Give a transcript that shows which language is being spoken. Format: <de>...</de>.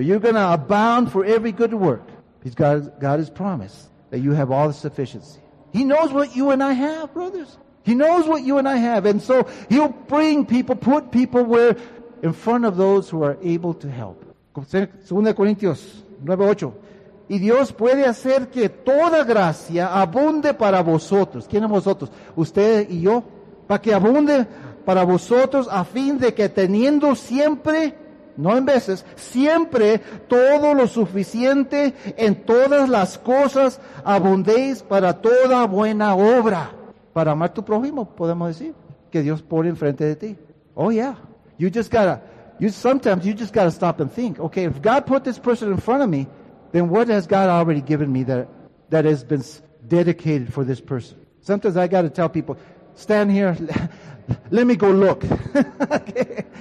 <en>You're going to abound for every good work. Because God has promised that you have all the sufficiency. He knows what you and I have, brothers. He knows what you and I have. And so He'll bring people, put people where, in front of those who are able to help.</en> <es>2 Corintios 9:8. Y Dios puede hacer que toda gracia abunde para vosotros. ¿Quién es vosotros? Usted y yo. Para que abunde para vosotros a fin de que teniendo siempre, no en veces, siempre todo lo suficiente en todas las cosas abundéis para toda buena obra. Para amar tu prójimo, podemos decir, que Dios pone enfrente de ti.</es> <en>Oh, yeah. You just gotta, sometimes you just gotta stop and think. Okay, if God put this person in front of me, then what has God already given me that has been dedicated for this person? Sometimes I gotta tell people, stand here, let me go look. Okay?</en>